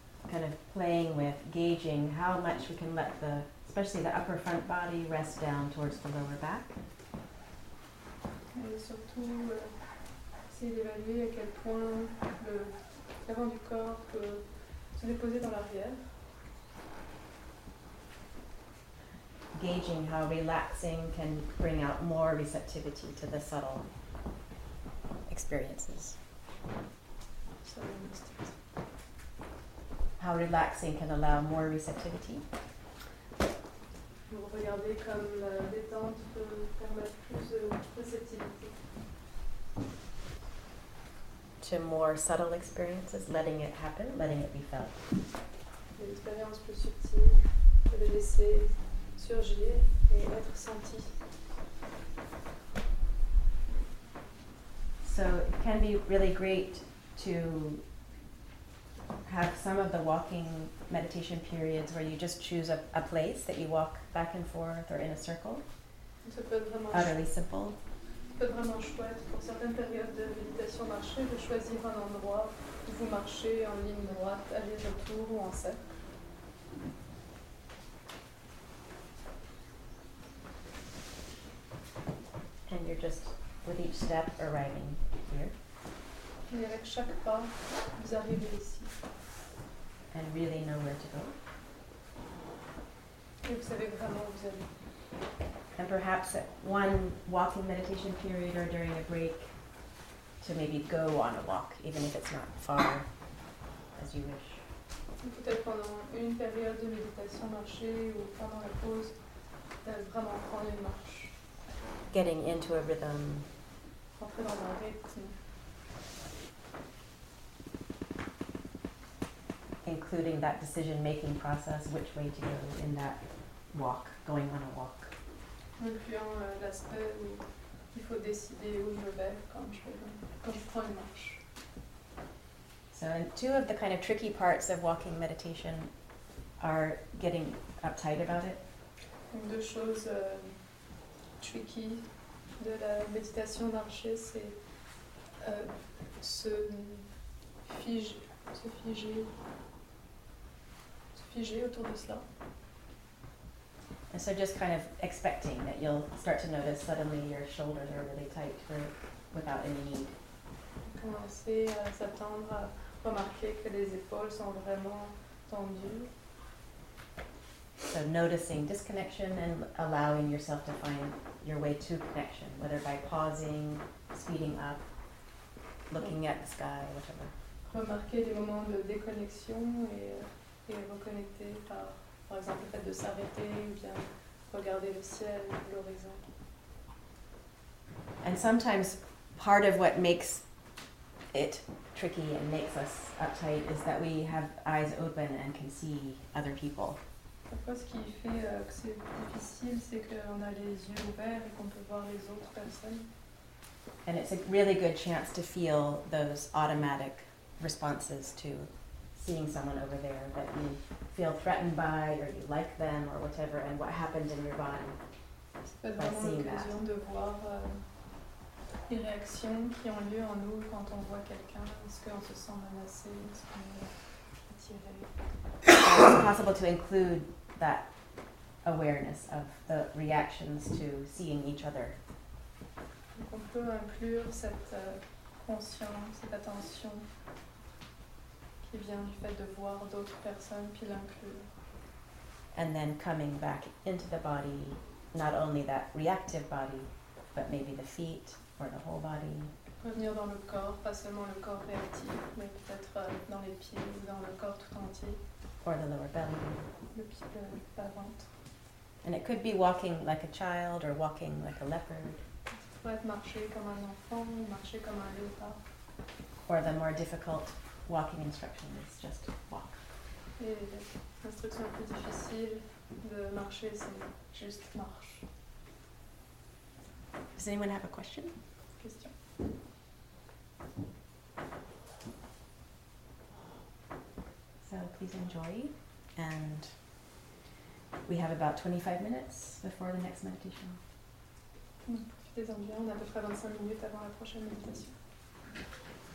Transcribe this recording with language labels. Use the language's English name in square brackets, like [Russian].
[English] kind of playing with gauging how much we can let the, especially the upper front body, rest down towards the lower back. [French] Et surtout, essayer d'évaluer à quel point l'avant du corps peut se déposer dans l'arrière. [English] Gauging how relaxing can bring out more receptivity to the subtle experiences. How relaxing can allow more receptivity? [French] Vous regardez comme la détente peut permettre plus de réceptivité. [English] To more subtle experiences, letting it happen, letting it be felt. [French] Une expérience plus subtile peut le laisser surgir et être senti. [English] So it can be really great to have some of the walking meditation periods where you just choose a place that you walk back and forth or in a circle. [French] Ça peut être vraiment [English] utterly simple. [French] Ça peut être vraiment chouette pour certaines périodes de méditation marcher, de choisir un endroit où vous marchez en ligne droite, aller-retour ou en cercle. [English] And you're just with each step arriving here. [French] Et avec chaque pas, vous arrivez ici. [English] And really know where to go. [French] Et vous savez vraiment où vous allez. [English] And perhaps at one walking meditation period or during a break, to maybe go on a walk, even if it's not far, as you wish. [French] Et peut-être pendant une période de méditation, marcher, ou pendant la pause, d'aller vraiment prendre une marche. [English] Getting into a rhythm. [French] Rentrer dans un rythme. [English] Including that decision-making process, which way to go in that walk, going on a walk. [French] Incluant l'aspect où il faut décider où je vais quand je prends une marche. [English] So, and two of the kind of tricky parts of walking meditation are getting uptight about it. [French] Une deux choses tricky de la méditation marcher, c'est se figer autour de cela. [English] And so just kind of expecting that you'll start to notice suddenly your shoulders are really tight without any need. [French] Commencer à s'attendre à remarquer que les épaules sont vraiment tendues. [English] So noticing disconnection and allowing yourself to find your way to connection, whether by pausing, speeding up, looking at the sky, whatever. [French] Remarquer les moments de déconnexion et reconnecter par exemple le fait de s'arrêter ou bien regarder le ciel, l'horizon. [English] And sometimes part of what makes it tricky and makes us uptight is that we have eyes open and can see other people. [French] Parfois ce qui fait que c'est difficile, c'est qu'on a les yeux ouverts et qu'on peut voir les autres personnes. [English] And it's a really good chance to feel those automatic responses to seeing someone over there that you feel threatened by, or you like them, or whatever, and what happened in your body by seeing that. [French] De voir les réactions qui ont lieu en nous quand on voit quelqu'un. Est-ce qu'on se sent menacé? Est-ce qu'on est attiré? [English] It's possible to include that awareness of the reactions to seeing each other. [French] Donc on peut inclure cette conscience, cette attention qui vient du fait de voir d'autres personnes, puis l'inclure. [English] And then coming back into the body, not only that reactive body, but maybe the feet or the whole body. [French] Revenir dans le corps, pas seulement le corps réactif, mais peut-être dans les pieds ou dans le corps tout entier. [English] Or the lower belly. [French] Le pied, la ventre. [English] And it could be walking like a child or walking like a leopard. [French] Peut-être marcher comme un enfant ou marcher comme un léopard. [English] Or the more difficult walking instruction is just walk. [French] Et l'instruction la plus difficile de marcher, c'est juste marche. [English] Does anyone have a question? [French] Question. [English] So please enjoy, and we have about 25 minutes before the next meditation. [French] Profitez-en bien, on a à peu près 25 minutes avant la prochaine méditation.